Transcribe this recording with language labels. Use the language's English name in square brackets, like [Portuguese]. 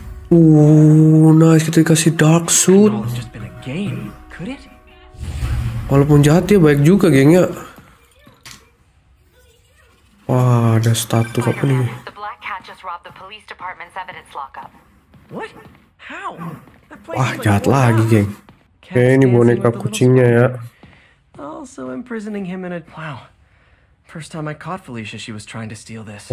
[Indonesian] Ooh, nice. Kita dikasih dark suit. [English] It's just been a game, could it? [Indonesian] Walaupun jahat dia baik juga, geng ya. Wah, ada statue apa nih? [English] The Black Cat just robbed the police department's evidence lockup. What? How? [Indonesian] Wah, jahat lagi, geng. Oke, ini boneka kucingnya ya. [English] Also imprisoning him in a wow. First time I caught Felicia, she was trying to steal this.